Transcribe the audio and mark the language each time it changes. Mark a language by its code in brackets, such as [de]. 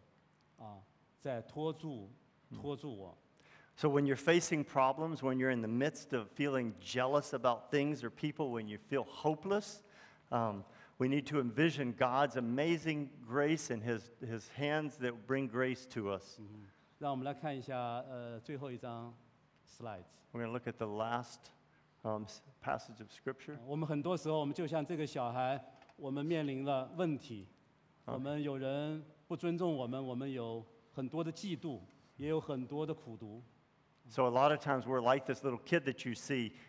[zh] 在困难面前，在嫉妒当中，在绝望之中，我自己现在经常来想象神的大爱大能的手在托住我。 [en] So when you're facing problems, when you're in the midst of feeling jealous about things or people, when you feel hopeless, we need to envision God's amazing grace and His hands that bring grace to us. [zh] Mm-hmm. 让我们来看一下, 最后一张 slides. [en] We're going to look at the last passage of Scripture. [zh] 我们很多时候我们就像这个小孩, 我们面临了问题, 我们有人不尊重我们, 我们有很多的嫉妒, 也有很多的苦读。 [en] So a lot of times we're like this little kid that you see.